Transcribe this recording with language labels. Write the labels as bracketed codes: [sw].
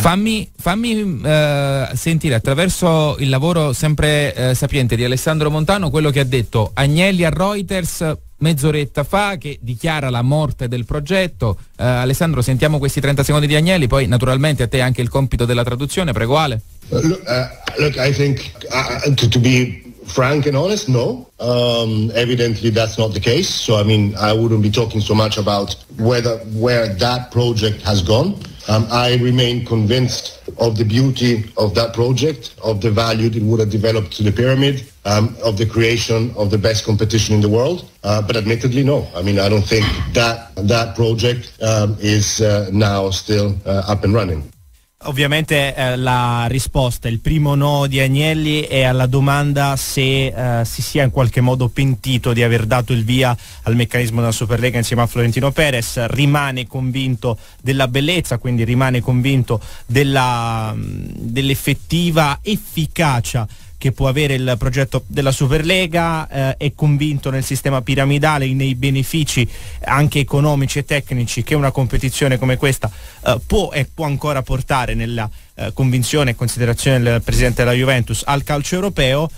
[it] Fammi sentire attraverso il lavoro sempre sapiente di Alessandro Montano quello che ha detto Agnelli a Reuters mezz'oretta fa, che dichiara la morte del progetto. Alessandro, sentiamo questi 30 secondi di Agnelli, poi naturalmente a te anche il compito della traduzione, prego Ale. [en] Look, I think to be frank and honest, no. Evidently that's not the case. So I mean, I wouldn't be talking so much about where that project has gone. I remain convinced of the beauty of that project, of the value it would have developed to the pyramid, of the creation of the best competition in the world. But admittedly, no. I mean, I don't think that project is now still up and running. [it] Ovviamente la risposta, il primo no di Agnelli è alla domanda se si sia in qualche modo pentito di aver dato il via al meccanismo della Superlega insieme a Florentino Perez. Rimane convinto della bellezza, quindi rimane convinto dell'effettiva efficacia che può avere il progetto della Superlega, è convinto nel sistema piramidale, nei benefici anche economici e tecnici che una competizione come questa può e può ancora portare, nella convinzione e considerazione del presidente della Juventus, al calcio europeo.